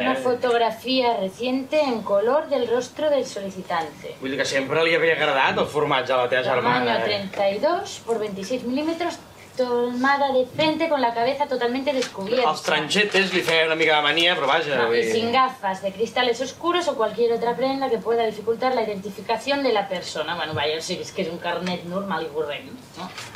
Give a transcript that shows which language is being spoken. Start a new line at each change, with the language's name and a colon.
Spanish: Una fotografía reciente en color del rostro del solicitante.
Catalan: Vull dir que sempre li havia agradat el formatge a la teva germana.
Spanish: Tamaño 32 por 26 milímetros, tomada de frente con la cabeza totalmente descubierta.
Catalan: Els tranchetes li feia una mica de manía, però vaja...
Spanish: No, y sin gafas de cristales oscuros o cualquier otra prenda que pueda dificultar la identificación de la persona. Bueno, vaya, sí, es que es un carnet normal y corrent, ¿no?